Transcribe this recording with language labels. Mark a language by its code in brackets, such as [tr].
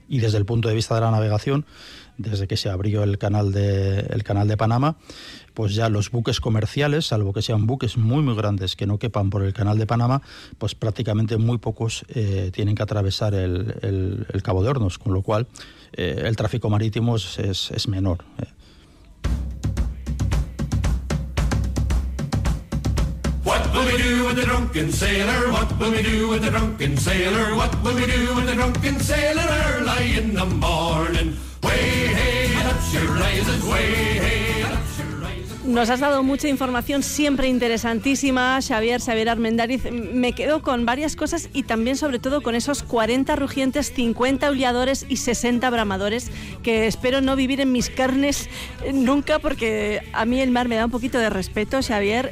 [es] Y desde el punto de vista de la navegación, desde que se abrió el canal de Panamá, pues ya los buques comerciales, salvo que sean buques muy muy grandes que no quepan por el canal de Panamá, pues prácticamente muy pocos tienen que atravesar el Cabo de Hornos, con lo cual el tráfico marítimo es menor. [en] What will we do with the drunken sailor? What will we do with the drunken sailor? What will we do with the drunken sailor early in the morning? Way, hey, that's your rises, way, hey. [es] Nos has dado mucha información, siempre interesantísima, Xavier Armendáriz. Me quedo con varias cosas y también, sobre todo, con esos 40 rugientes, 50 aulladores y 60 bramadores que espero no vivir en mis carnes nunca, porque a mí el mar me da un poquito de respeto, Xavier.